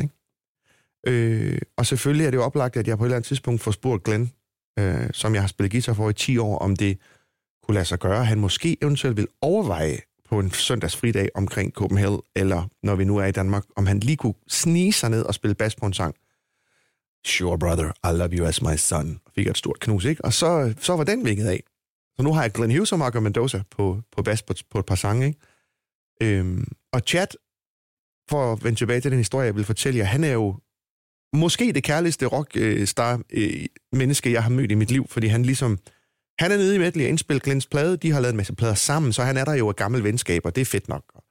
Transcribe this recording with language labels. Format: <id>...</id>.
<da>Ikke? Og selvfølgelig er det jo oplagt, at jeg på et eller andet tidspunkt får spurgt Glenn, som jeg har spillet guitar for i 10 år, om det kunne lade sig gøre. Han måske eventuelt vil overveje på en søndagsfridag omkring Copenhagen, eller når vi nu er i Danmark, om han lige kunne snige sig ned og spille bas på en sang.</da> <en>Sure brother, I love you as my son.</en> <da>Fik et stort knus, ikke? Og så var den vinget af. Så nu har jeg Glenn Hughes og Marco Mendoza på bas på et par sange. Ikke? Og Chad, for at vende tilbage til den historie, jeg vil fortælle jer, han er jo måske det kærligste rockstar-menneske, jeg har mødt i mit liv, fordi han ligesom, han er nede i Medley og indspiller Glenns plade, de har lavet en masse plader sammen, så han er der jo af gammel venskab, og det er fedt nok.</da>